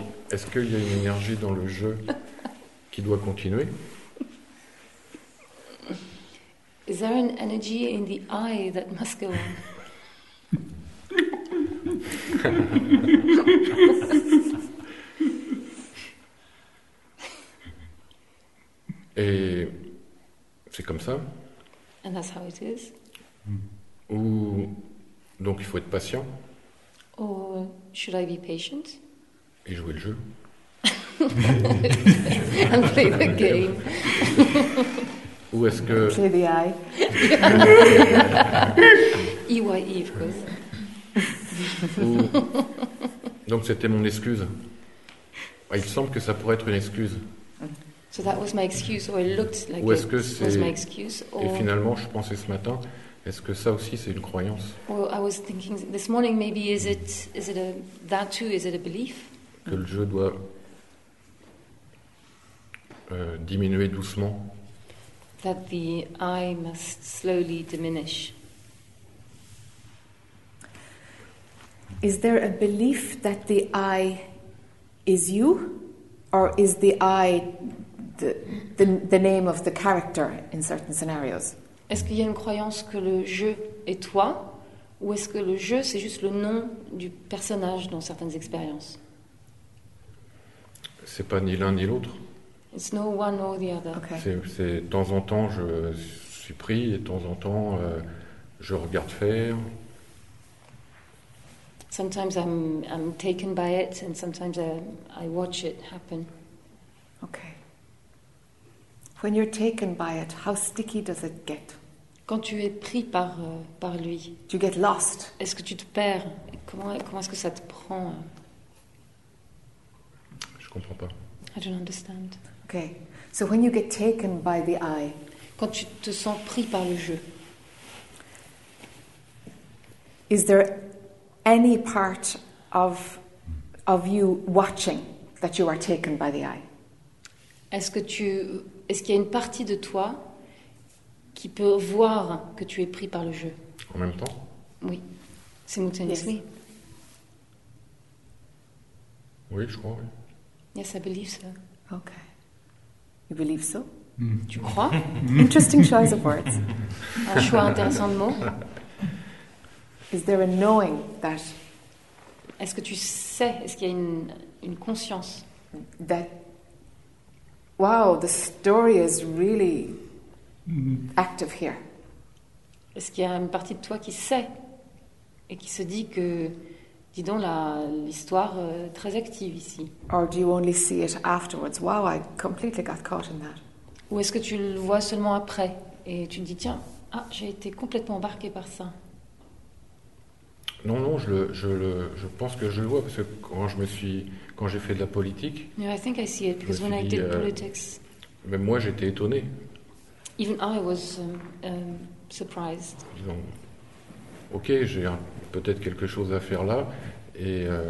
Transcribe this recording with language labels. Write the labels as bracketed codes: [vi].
[fr] Est-ce qu'il y a une énergie dans le jeu qui doit continuer? [en] Is there an energy in the eye that must go on? [fr] Et c'est comme ça. [en] And that's how it is. [fr] Ou donc il faut être patient. [en] Or should I be patient? [fr] Et jouer le jeu. [en] And play the game. [fr] Ou est-ce que... [en] Play the eye. EYE, of course. [fr] Donc c'était mon excuse. Il semble que ça pourrait être une excuse. [en] So that was my excuse, or it looked like [fr] ou est-ce que c'est... [en] was my excuse, or... [fr] Et finalement, je pensais ce matin, est-ce que ça aussi c'est une croyance? [en] Well, I was thinking this morning, maybe is it a that too? Is it a belief? [fr] Que le jeu doit diminuer doucement. [en] That the eye must slowly diminish. Is there a belief that the eye is you, or is the eye the name of the character in certain scenarios? [fr] Est-ce qu'il y a une croyance que le jeu est toi, ou est-ce que le jeu c'est juste le nom du personnage dans certaines expériences? C'est pas ni l'un ni l'autre. [en] It's no one or the other. Okay. [fr] C'est de temps en temps je suis pris et de temps en temps je regarde faire. [en] Sometimes I'm taken by it and sometimes I watch it happen. Okay. When you're taken by it, how sticky does it get? [fr] Quand tu es pris par lui. [en] Do you get lost? [fr] Est-ce que tu te perds? Comment est-ce que ça te prend? Je comprends pas. [en] I don't understand. Okay. So when you get taken by the eye, [fr] quand tu te sens pris par le jeu, [en] is there any part of you watching that you are taken by the eye? [fr] Est-ce qu'il y a une partie de toi qui peut voir que tu es pris par le jeu? En même temps? [en] Oui. Simultaneously? [fr] Oui. Oui, je crois, oui. [en] Yes, I believe so. Okay. You believe so? [fr] Tu crois? [en] Interesting choice of words. [fr] Un choix intéressant de mots. [en] Is there a knowing that... [fr] Est-ce que tu sais, est-ce qu'il y a une conscience? [en] That... Wow, the story is really active here. [fr] Est-ce qu'il y a une partie de toi qui sait et qui se dit que, dis donc, l'histoire est très active ici? [en] Or do you only see it afterwards? Wow, I completely got caught in that. [fr] Ou est-ce que tu le vois seulement après et tu te dis, tiens, ah, j'ai été complètement embarqué par ça? Non, je pense que je le vois parce que quand j'ai fait de la politique. [en] Yeah, I think I see it because when I did politics. [fr] Mais moi j'étais étonné. [en] Even I was surprised. [fr] Disons, ok, j'ai peut-être quelque chose à faire là et